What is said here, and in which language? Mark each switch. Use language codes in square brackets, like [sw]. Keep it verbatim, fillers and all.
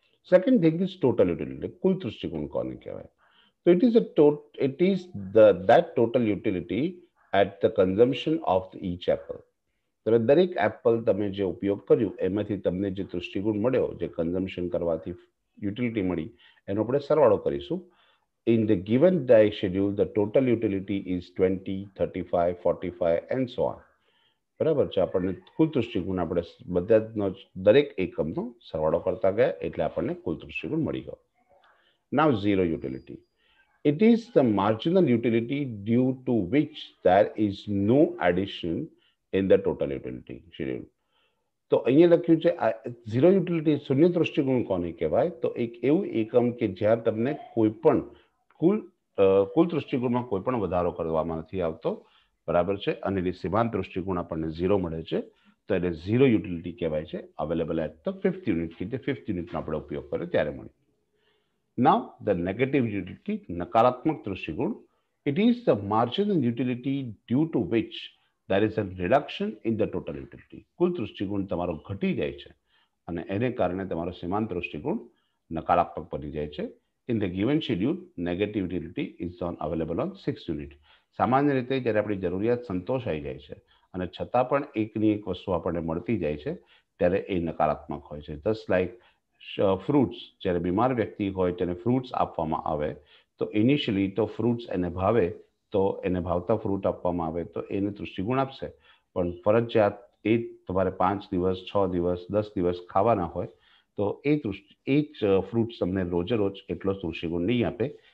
[en] second thing is total utility, [gu] કુલ દૃષ્ટિકોણ કોને કહેવાય? [en] તો it is a tot it is the that total utility at the consumption of each apple. [gu] તમે દરેક Apple તમે જે ઉપયોગ કર્યું એમાંથી તમને જે દૃષ્ટિકોણ મળ્યો, જે કન્ઝમ્પશન કરવાથી યુટિલિટી મળી, એનો આપણે સરવાળો કરીશું. [en] In the given die schedule, the total utility is twenty, thirty-five, forty-five, and so on. [gu] બરાબર છે. આપણને કુલ દૃષ્ટિકોણ આપણે બધાનો જ દરેક એકમનો સરવાળો કરતા ગયા એટલે આપણને કુલ દૃષ્ટિકોણ મળી ગયો. [en] Now zero utility. It is the marginal utility due to which there is no addition in the total utility schedule. [gu] તો અહીંયા લખ્યું છે આ ઝીરો યુટિલિટી, શૂન્ય દૃષ્ટિકોણ કોને કહેવાય? તો એક એવું એકમ કે જ્યાં તમને કોઈ પણ કુલ કુલ દૃષ્ટિકોણમાં કોઈ પણ વધારો કરવામાં નથી આવતો, બરાબર છે, અને એની સીમાંત દૃષ્ટિકોણ આપણને ઝીરો મળે છે, તો એને ઝીરો યુટિલિટી કહેવાય છે. [en] available at the fifth unit, [gu] કે જે ફિફ્થ યુનિટનો આપણે ઉપયોગ કર્યો ત્યારે મળી. [en] now the negative utility, [gu] નકારાત્મક દૃષ્ટિકોણ. [en] It is the marginal utility due to which there is a reduction in the total utility. [gu] કુલ દૃષ્ટિકોણ તમારો ઘટી જાય છે અને એને કારણે તમારો સીમાંત દૃષ્ટિકોણ નકારાત્મક બની જાય છે. [en] In the given schedule, negative utility is on available on six unit. [gu] સામાન્ય રીતે જ્યારે આપણી જરૂરિયાત સંતોષાઈ જાય છે અને છતાં પણ એકની એક વસ્તુ આપણને મળતી જાય છે ત્યારે એ નકારાત્મક હોય છે. જસ્ટ લાઈક ફ્રૂટ્સ, જ્યારે બીમાર વ્યક્તિ હોય તેને ફ્રૂટ્સ આપવામાં આવે તો ઇનિશિયલી તો ફ્રૂટ્સ એને ભાવે, તો એને ભાવતા ફ્રૂટ આપવામાં આવે તો એને દૃષ્ટિકોણ આપશે, પણ ફરજિયાત એ તમારે પાંચ દિવસ છ દિવસ દસ દિવસ ખાવાના હોય તો એ દૃષ્ટિ એ જ ફ્રૂટ્સ તમને રોજે રોજ એટલો દૃષ્ટિકોણ નહીં આપે.